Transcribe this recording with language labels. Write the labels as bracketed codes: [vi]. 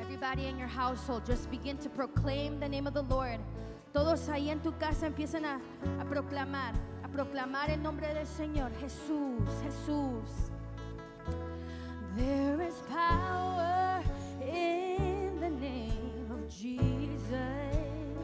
[en] In your household, just begin to proclaim the name of the Lord. [es] Todos ahí en tu casa empiecen a proclamar el nombre del Señor. Jesús, Jesús. [en] There is power in the name of Jesus.